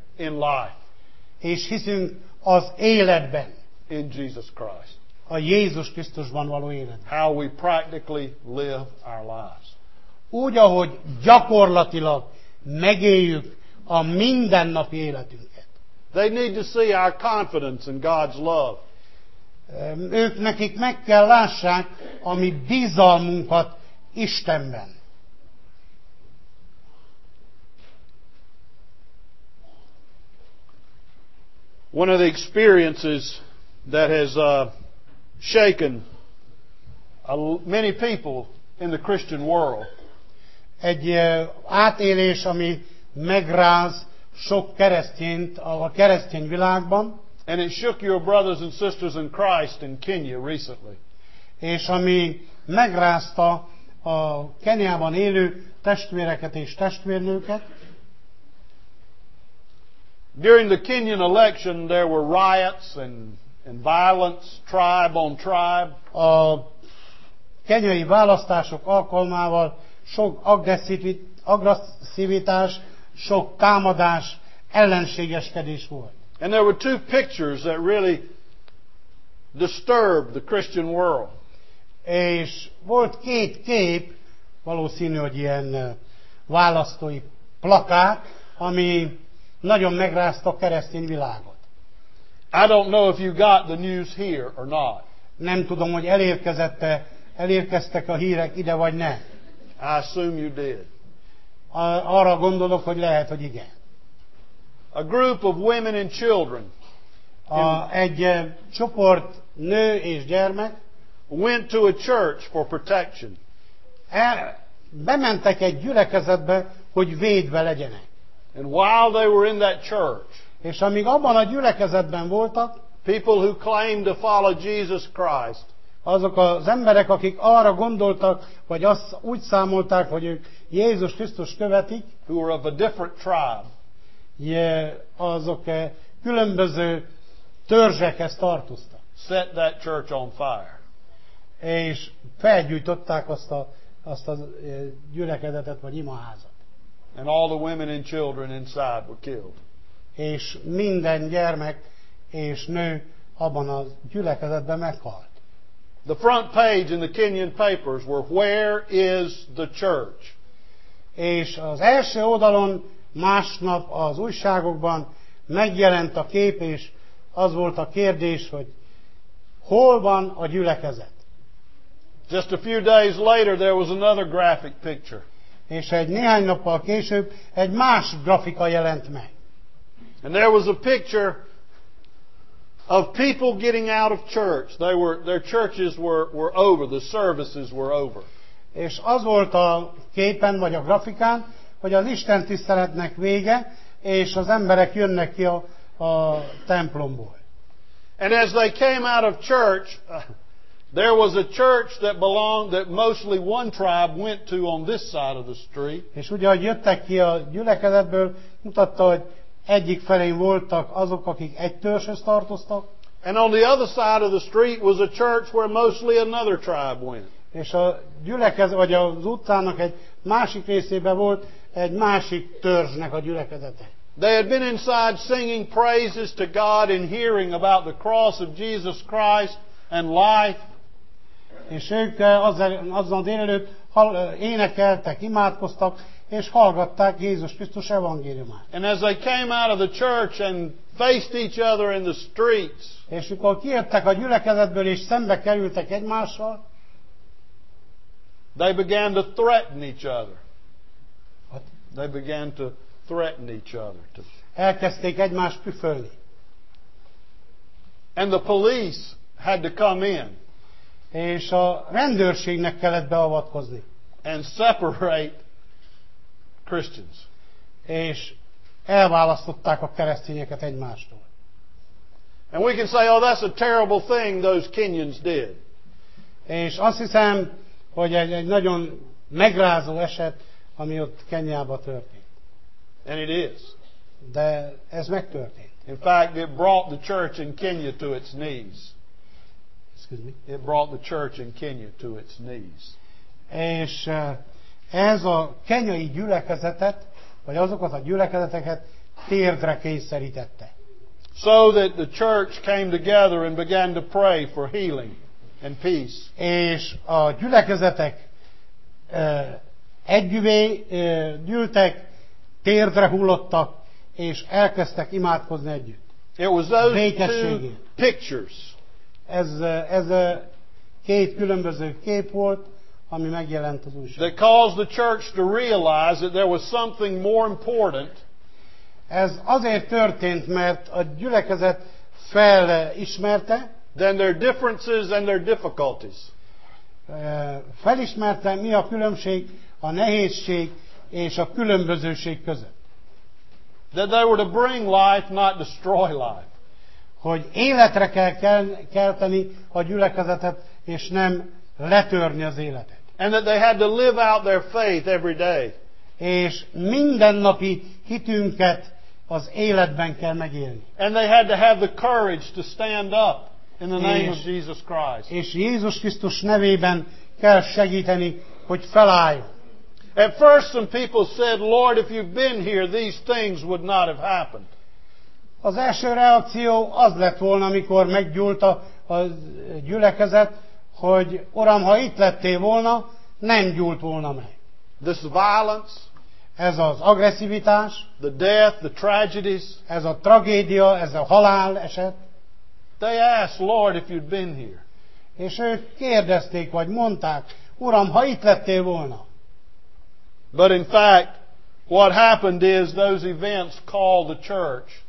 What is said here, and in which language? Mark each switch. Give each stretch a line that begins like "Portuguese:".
English: In life.
Hungarian: És hiszünk az életben.
English: In Jesus Christ.
Hungarian: A Jézus Krisztusban való életben.
English: How we practically live our lives.
Hungarian: Úgy, ahogy gyakorlatilag megéljük a mindennapi életünket.
English: They need to see our confidence in God's love.
Hungarian: Ők nekik meg kell lássák a mi bizalmunkat Istenben.
English: One of the experiences that has shaken many people in the Christian world.
Hungarian: Egy átélés, ami megráz sok keresztényt a keresztény világban.
English: And it shook your brothers and sisters in Christ in Kenya recently.
Hungarian: És ami megrázta a Kenyában élő testvéreket és testvérnőket.
English: During the Kenyan election, there were riots and and violence, tribe on tribe.
Hungarian: A kenyai választások alkalmával sok agresszivitás, sok támadás, ellenségeskedés volt.
English: And there were two pictures that really disturbed the Christian world.
Hungarian: És volt két kép, valószínű, hogy ilyen választói plakát, ami nagyon megrázta a keresztény világot.
English: I don't know if you got the news here or not.
Hungarian: Nem tudom, hogy elérkeztek a hírek ide vagy ne.
English: I assume you did.
Hungarian: Arra gondolok, hogy lehet, hogy igen.
English: A group of women and children.
Hungarian: Egy csoport nő és gyermek
English: went to a church for protection.
Hungarian: Bementek egy gyülekezetbe, hogy védve legyenek.
English: And while they were in that church,
Hungarian: és amíg abban a gyülekezetben voltak,
English: people who claimed to follow Jesus Christ,
Hungarian: azok az emberek, akik arra gondoltak, vagy azt úgy számolták, hogy ők Jézus Krisztus követik,
English: who were of a different tribe,
Hungarian: azok különböző törzsekhez tartoztak.
English: Set that church on fire.
Hungarian: És felgyújtották azt a gyülekezetet, vagy imaházat.
English: And all the women and children inside were killed.
Hungarian: És minden gyermek és nő abban a gyülekezetben meghalt.
English: The front page in the Kenyan papers were, "Where is the church?"
Hungarian: És az első oldalon másnap az újságokban megjelent a kép, és az volt a kérdés, hogy hol van a gyülekezet?
English: Just a few days later, there was another graphic picture.
Hungarian: És egy néhány nappal később egy más grafika jelent meg.
English: And there was a picture of people getting out of church. Their churches were over. The services were over.
Hungarian: És az volt a képen vagy a grafikán, hogy az Isten tiszteletnek vége, és az emberek jönnek ki a templomból.
English: And as they came out of church, there was a church that belonged, that mostly one tribe went to on this side of the street.
Hungarian: És ugye, ahogy jöttek ki a gyülekezetből, mutatta, hogy egyik felén voltak azok, akik egy törzshöz tartoztak.
English: And on the other side of the street was a church where mostly another tribe went.
Hungarian: És a gyülekezet, vagy az utcának egy másik részében volt egy másik törzsnek a gyülekezete.
English: They had been inside singing praises to God and hearing about the cross of Jesus Christ and life.
Hungarian: És ők azon délelőtt énekeltek, imádkoztak, és hallgatták Jézus Krisztus evangéliumát.
English: And as they came out of the church and faced each other in the streets,
Hungarian: és mikor kijöttek a gyülekezetből és szembe kerültek egymással,
English: they began to threaten each other. What? They began to threaten each other.
Hungarian: Elkezdték egymást püfölni.
English: And the police had to come in.
Hungarian: És a rendőrségnek kellett beavatkozni.
English: And separate Christians.
Hungarian: És elválasztották a keresztényeket egymástól.
English: And we can say, oh, that's a terrible thing those Kenyans did.
Hungarian: És azt hiszem, hogy egy nagyon megrázó eset, ami ott Kenyában történt.
English: And it is.
Hungarian: De ez megtörtént.
English: In fact, it brought the church in Kenya to its knees. Excuse me. It brought the church in Kenya to its knees.
Hungarian: És ez a kenyai gyülekezetet, vagy azokat a gyülekezeteket térdre kényszerítette.
English: So that the church came together and began to pray for healing and peace.
Hungarian: És a gyülekezetek együvé gyűltek, térdre hullottak, és elkezdtek imádkozni együtt.
English: It was those two pictures.
Hungarian: Ez két különböző kép volt, ami megjelent az újságban.
English: That caused the church to realize that there was something more important.
Hungarian: Ez azért történt, mert a gyülekezet felismerte,
English: than their differences and their difficulties.
Hungarian: Felismerte, mi a különbség, a nehézség és a különbözőség között.
English: That they were to bring life, not destroy life.
Hungarian: Hogy életre kell kelteni a gyülekezetet, és nem letörni az életet.
English: And that they had to live out their faith every day.
Hungarian: És mindennapi hitünket az életben kell megélni.
English: And they had to have the courage to stand up. In the name of Jesus Christ.
Hungarian: És Jézus Krisztus nevében kell segíteni, hogy felálljon.
English: At first some people said, Lord, if you've been here, these things would not have happened.
Hungarian: Az első reakció az lett volna, amikor meggyúlt a gyülekezet, hogy Uram, ha itt lettél volna, nem gyúlt volna meg.
English: This violence,
Hungarian: ez az agresszivitás,
English: the death, the tragedies,
Hungarian: ez a tragédia, ez a halál eset.
English: They asked, Lord, if you'd been here.
Hungarian: És ők kérdezték, vagy mondták, Uram, ha itt lettél volna.
English: But in fact, what happened is those events called the church.